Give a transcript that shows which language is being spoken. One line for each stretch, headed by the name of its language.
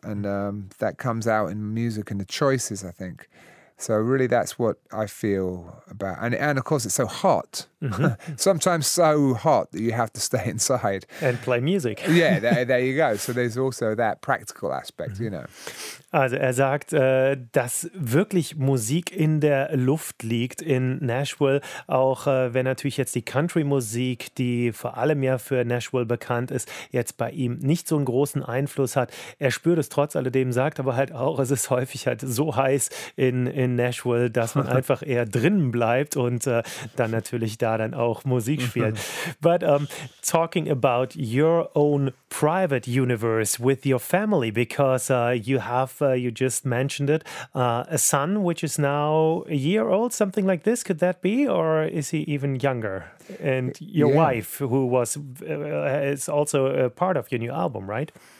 English: And that comes out in music and the choices, I think. So really, that's what I feel about. And of course, it's so hot. Mm-hmm. Sometimes so hot that you have to stay inside. And play music. Yeah, there you go. So there's also that practical aspect, mm-hmm. you know.
German: Also er sagt, dass wirklich Musik in der Luft liegt in Nashville, auch wenn natürlich jetzt die Country-Musik, die vor allem ja für Nashville bekannt ist, jetzt bei ihm nicht so einen großen Einfluss hat. Er spürt es trotz alledem, sagt aber halt auch, es ist häufig halt so heiß in Nashville, dass man einfach eher drinnen bleibt und dann natürlich da dann auch Musik spielt.
English: But talking about your own private universe with your family, because you have you just mentioned it, a son which is now 1 year old, something like this, could that be, or is he even younger? And your wife, who was is also a part of your new album, right?